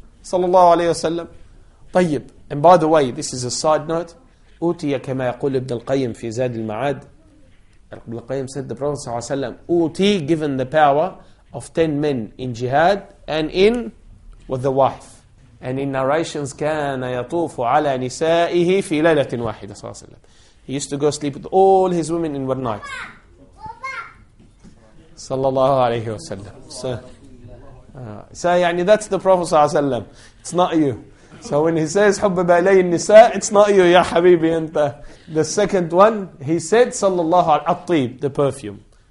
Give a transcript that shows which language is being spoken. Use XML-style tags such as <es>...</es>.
<ar>Sallallahu alayhi wa sallam. طيب.</ar> <en>And by the way, this is a side note.</en> <ar>أُوتِيَ كَمَا يَقُولُ إِبْنَ الْقَيِّمْ فِي زَادِ الْمَعَادِ.</ar> <en>Ibn al-Qayyim said the Prophet ﷺ, أُوتِي, given the power of 10 men in jihad and in with the wife. And in narrations,</en> <ar>كَانَ يَطُوفُ عَلَى نِسَائِهِ فِي لَيْلَةٍ وَاحِدَةٍ.</ar> <en>He used to go sleep with all his women in one night. Sallallahu alayhi wa sallam. So يعني that's the Prophet sallallahu alayhi wa sallam. It's not you. So when he says</en> <ar>حُبَّبَ عَلَيْهِ النِّسَاءِ,</ar> <en>it's not you, ya habibi. And the second one, he said sallallahu alayhi wa sallam, the perfume.</en>